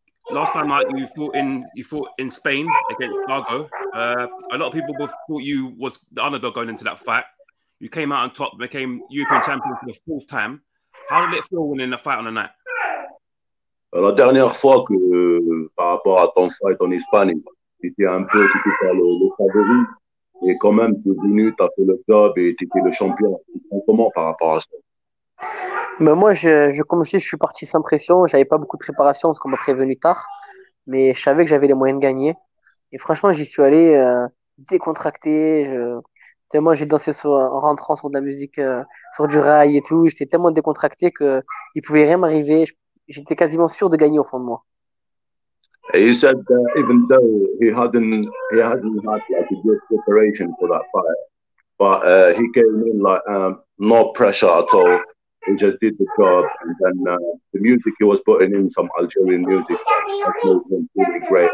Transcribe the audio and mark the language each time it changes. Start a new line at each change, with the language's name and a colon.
English: Last time out, you fought in Spain against Gago. A lot of people thought you was the underdog going into that fight. You came out on top, became European champion for the fourth time. How did it feel winning the fight on the night?
French: La dernière fois que par rapport à ton fight en Espagne, tu étais le favori, et quand même tu es venu, tu as fait le job et tu étais le champion. Comment par rapport à ça? Mais moi, je suis parti sans pression. J'avais pas beaucoup de préparation parce qu'on m'a prévenu tard. Mais je savais que j'avais les moyens de gagner. Et franchement, j'y suis allé décontracté. Tellement j'ai dansé en rentrant sur de la musique, sur du rail et tout. J'étais tellement décontracté qu'il ne pouvait rien m'arriver. J'étais quasiment sûr de gagner au fond de moi.
English: He said that even though he hadn't had like a good preparation for that fight, but he came in like no pressure at all. He just did the job, and then the music he was putting in, some Algerian music, that made him really great.